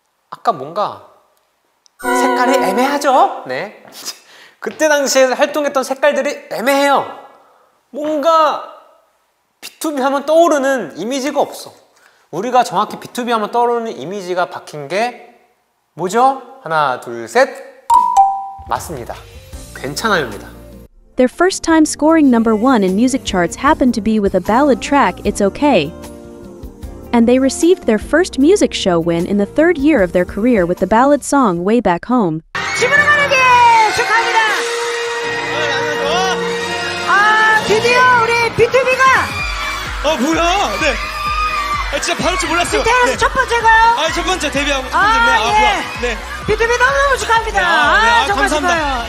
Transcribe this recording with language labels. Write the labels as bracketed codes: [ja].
[ko] 아까 뭔가 색깔이 애매하죠? 네. 그때 당시에 활동했던 색깔들이 애매해요. 뭔가 B2B 하면 떠오르는 이미지가 없어. 우리가 정확히 B2B 하면 떠오르는 이미지가 박힌 게 뭐죠? 하나, 둘, 셋. 맞습니다. 괜찮아요입니다. [en] Their first time scoring number one in music charts happened to be with a ballad track, It's Okay. And they received their first music show win in the third year of their career with the ballad song, Way Back Home. [ko] 집으로 가는 길 축하합니다. 아, 드디어 우리 B2B가. 아, 뭐야? 네. 아, 진짜 바를 줄 몰랐어요. 그때 해서 네. 첫 번째가요? 아, 첫 번째 데뷔하고 첫 번째. 아, 예. 네. B2B 너무너무 축하합니다. 아, 네. 아, 아 정말 감사합니다.